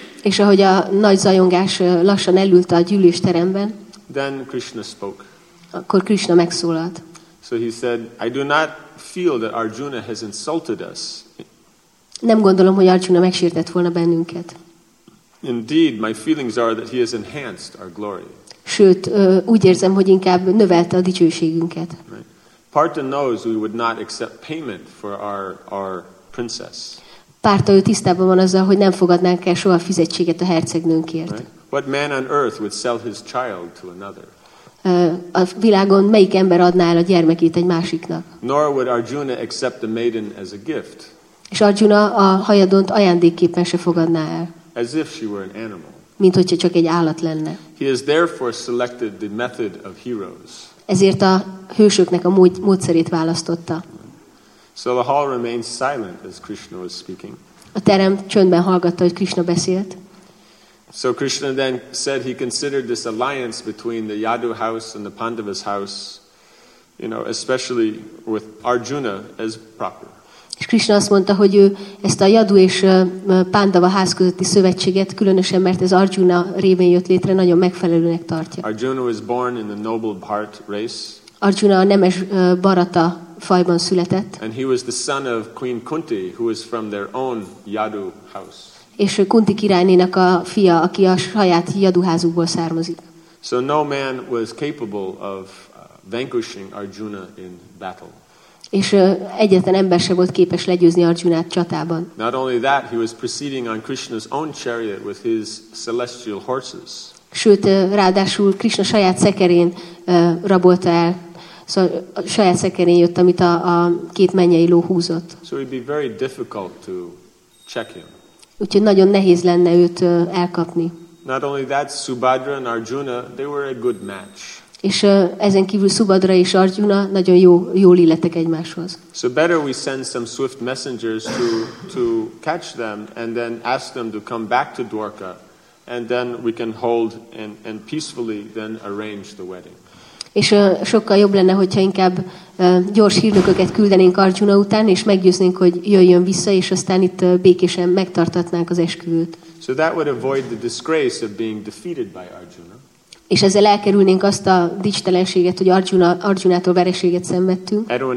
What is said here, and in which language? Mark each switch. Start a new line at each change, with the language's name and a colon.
Hungarian: És ahogy a nagy zajongás lassan elült a gyűlésteremben.
English: Then Krishna spoke.
Hungarian: Akkor Krishna megszólalt.
English: So he said, I do not feel that Arjuna has insulted us.
Hungarian: Nem gondolom, hogy Arjuna megsértett volna bennünket.
English: Indeed, my feelings are that he has enhanced our glory.
Hungarian: Sőt, úgy érzem, hogy inkább növelte a dicsőségünket.
English: Right. Partha knows we would not accept payment for our princess.
Hungarian: Partha, ő tisztában van azzal, hogy nem fogadnánk el soha fizetséget a hercegnőnkért.
English: Right. What man on earth would sell his child to another?
Hungarian: A világon melyik ember adná el a gyermekét egy másiknak?
English: Nor would Arjuna accept the maiden as a gift.
Hungarian: És Arjuna a hajadont ajándékképpen se fogadná el.
English: As if she were an animal.
Hungarian: Mint hogyha csak egy állat lenne.
English: He has therefore selected the method of heroes.
Hungarian: Ezért a hősöknek a módszerét választotta.
English: So the hall remained silent as Krishna was speaking.
Hungarian: A terem csöndben hallgatta, hogy Krishna beszélt.
English: So Krishna then said he considered this alliance between the Yadu house and the Pandavas house, you know, especially with Arjuna as proper.
Hungarian: És Krishna azt mondta, hogy ő ezt a Yadu és Pandava ház közötti szövetséget, különösen mert ez Arjuna révén jött létre, nagyon megfelelőnek tartja.
English: Arjuna was born in the noble Bharat race.
Hungarian: Arjuna a nemes Bharata fajban született.
English: And he was the son of Queen Kunti, who was from their own Yadu house.
Hungarian: És Kunti királynénak a fia, aki a saját jaduházukból származik.
English: So no man was capable of vanquishing Arjuna in battle.
Hungarian: És egyetlen ember sem volt képes legyőzni Arjunát csatában.
English: Not only that, he was proceeding on Krishna's own chariot with his celestial horses.
Hungarian: Sőt, ráadásul Krishna saját szekerén rabolta el. Szóval a saját szekerén jött, amit a két mennyei ló húzott.
English: So it would be very difficult to check him.
Hungarian: Úgyhogy nagyon nehéz lenne őt elkapni.
English: Not only that, Subhadra and Arjuna, they were a good match.
Hungarian: És ezen kívül Subhadra és Arjuna nagyon jól illettek egymáshoz.
English: So better we send some swift messengers to catch them and then ask them to come back to Dwarka and then we can hold and peacefully then arrange the wedding.
Hungarian: És sokkal jobb lenne, hogyha inkább gyors hírnököket küldenénk Arjuna után, és meggyőznénk, hogy jöjjön vissza, és aztán itt békésen megtartatnánk az esküvőt.
English: So that would avoid the disgrace of being defeated by Arjuna.
Hungarian: És ezzel elkerülnénk azt a dicstelenséget, hogy Arjunától vereséget szenvedtünk.